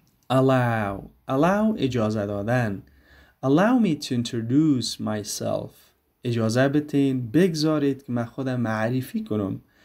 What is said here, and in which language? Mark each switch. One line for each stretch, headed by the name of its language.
Persian: Allow اجازه دادن.
English: Allow me to introduce myself.
Persian: اجازه بدین، بگذارید که من خودم معرفی کنم.